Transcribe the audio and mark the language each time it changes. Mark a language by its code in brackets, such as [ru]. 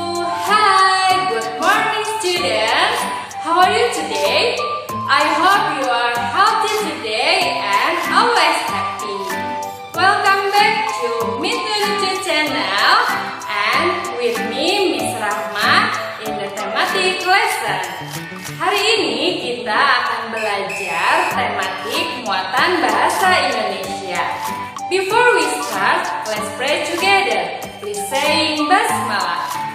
[en] Hi, good morning students. How are you today? I hope you are healthy today and always happy. Welcome back to Meet the Teacher channel and with me Miss Rahma in the thematic lesson. [id] Hari ini kita akan belajar tematik muatan bahasa Indonesia. [en] Before we start, let's pray together. Please saying basmalah.